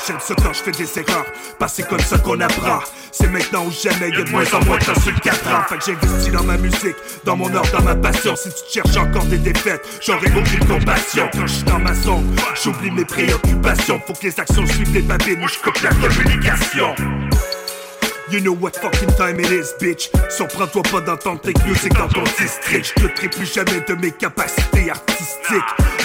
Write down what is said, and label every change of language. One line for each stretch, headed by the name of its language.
French: J'aime ce temps, j'fais des erreurs. Parce c'est comme ça qu'on apprend. C'est maintenant ou jamais, y'a de moins en moins de temps sur 4 ans. Fait que j'investis dans ma musique, dans mon art, dans ma passion. Si tu cherches encore des défaites, j'aurai aucune compassion. Quand j'suis dans ma zone, j'oublie mes préoccupations. Faut que les actions suivent des babines ou j'coupe la communication.
English: You know what fucking time it is, bitch.
French: Surprends-toi pas d'entendre tes music dans ton district. Je douterai plus jamais de mes capacités artistiques.